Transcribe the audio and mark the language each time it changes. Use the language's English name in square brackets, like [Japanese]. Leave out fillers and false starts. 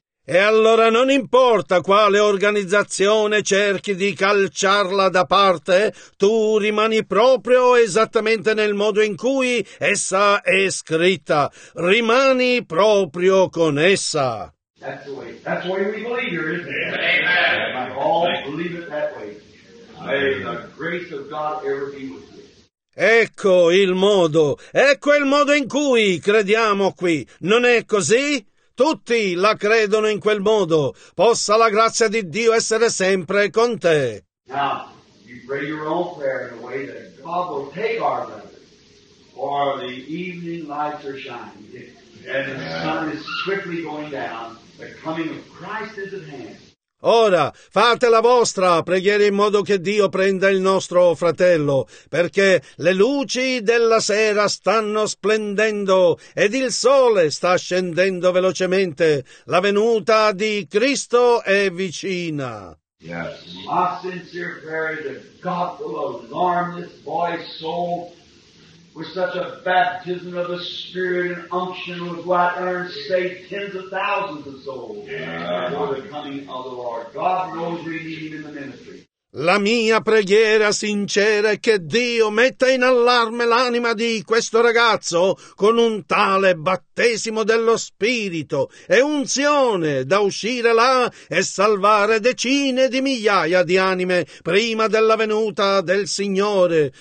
[Italian] E allora non importa quale organizzazione cerchi di calciarla da parte, tu rimani proprio esattamente nel modo in cui essa è scritta. Rimani proprio con essa. [English] That's the way. That's the way we believe here, isn't it? Amen. We all believe it that way. May the grace of God ever be with you. [Italian] Ecco il modo in cui crediamo qui. Non è così? Tutti la credono in quel modo. Possa la grazia di Dio essere sempre con te. [English] Now, you pray your own prayer in a way that God will take our letter, or the evening lights are shining, and the sun is quickly going down, the coming of Christ is at hand. [Italian] Ora, fate la vostra preghiera in modo che Dio prenda il nostro fratello, perché le luci della sera stanno splendendo ed il sole sta scendendo velocemente. La venuta di Cristo è vicina. [English] Yes. My sincere prayer is that God will alarm this boy's soul with such a baptism of the Spirit and unction with what earns saved tens of thousands of souls before the coming of the Lord. God knows we need him in the ministry. [Italian] La mia preghiera sincera è che Dio metta in allarme l'anima di questo ragazzo con un tale battesimo dello Spirito e unzione da uscire là e salvare decine di migliaia di anime prima della venuta del Signore.